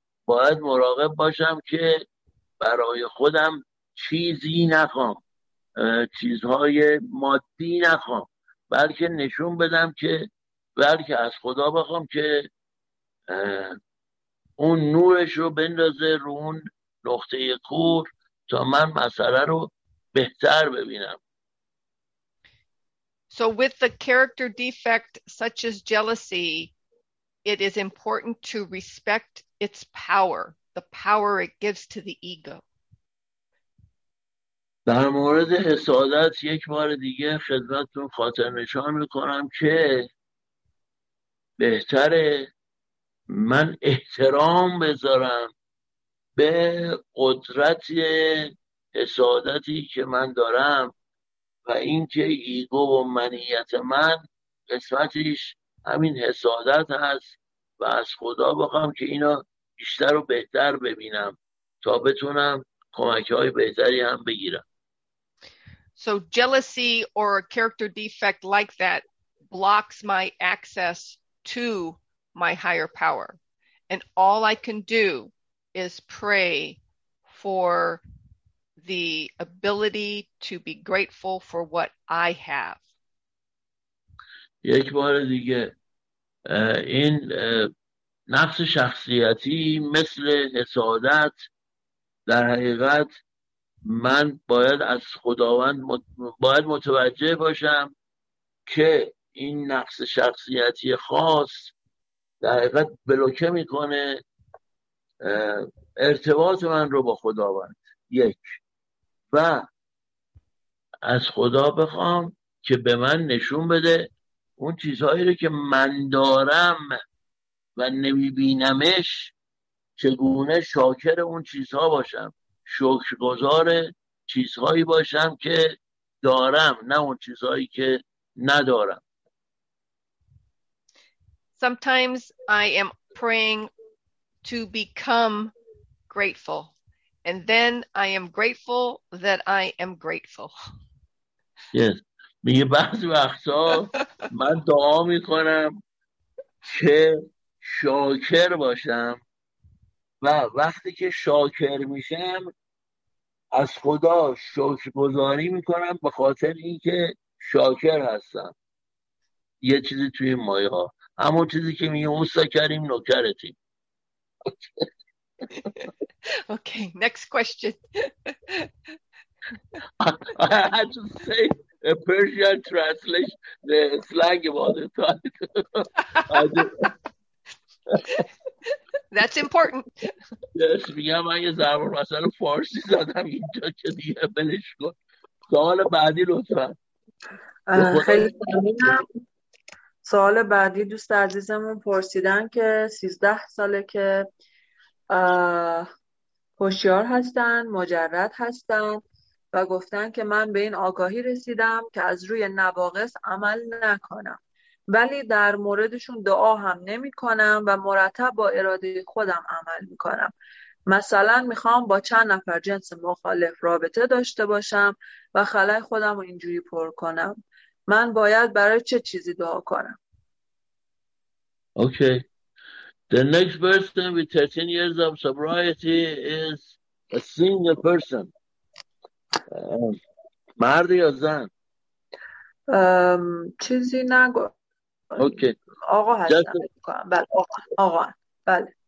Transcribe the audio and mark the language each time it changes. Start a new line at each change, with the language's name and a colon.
Persian: باید مراقب باشم که برای خودم چیزی نخوام، چیزهای مادی نخوام، بلکه نشون بدم که بلکه از خدا بخوام که اون نورش رو بندازه رو اون نقطه کور تا من مسئله رو بهتر ببینم.
English: So with the character defect such as jealousy, it is important to respect its power, the power it gives to the ego.
Persian: در مورد حسادت یک بار دیگه خدمتتون خاطر نشان میکنم که بهتره من احترام بذارم به قدرت حسادتی که من دارم و اینکه ایگو و منیت من قسمتش همین حسادت هست و از خدا بخوام که اینو بیشتر و بهتر ببینم تا بتونم کمک‌های بهتری هم بگیرم.
English: So jealousy or a character defect like that blocks my access to my higher power. And all I can do is pray for the ability to be grateful for what I have.
Persian: یک بار دیگه این نقص شخصیتی مثل حسادت در حقیقت من باید از خداوند باید متوجه باشم که این نقص شخصیتی خاص در حقیقت بلوکه میکنه ارتباط من رو با خداوند. یک، و از خدا بخوام که به من نشون بده اون چیزهایی رو که من دارم و نمیبینمش چگونه شاکر اون چیزها باشم، شکرگزار چیزهایی باشم که دارم نه اون چیزهایی که ندارم.
English: Sometimes I am praying to become grateful, and then I am grateful that I am grateful. Yes.
Persian: میگه بعضی وقتا من دعا میکنم که شاکر باشم و وقتی که شاکر میشم از خدا شکرگزاری میکنم به خاطر اینکه شاکر هستم. یه چیزی توی مایه ها، همون چیزی که میگه اوستا کریم نوکرتیم.
English: Okay, next question. I had to say a Persian translation, the slang about it. That's important.
Persian: Yes, میگم من یه زبان مثلا فارسی زدم اینجا که دیگه بلش کن. سوال بعدی لطفا. خیلی ممنونم. سوال بعدی دوست عزیزمون پرسیدن که 13 ساله که هوشیار هستن، مجرد هستن و گفتن که من به این آگاهی رسیدم که از روی نواقص عمل نکنم، ولی در موردشون دعا هم نمی کنم و مرتب با اراده خودم عمل می کنم. مثلا میخوام با چند نفر جنس مخالف رابطه داشته باشم و خلای خودم رو اینجوری پر کنم. من باید برای چه چیزی دعا کنم؟
English: Okay. The next person with 13 years of sobriety is a single person.
Persian: مرد یا زن؟ چیزی نگو.
English: Okay.
Persian: آقا هستم. بله. آقا. آقا. بله.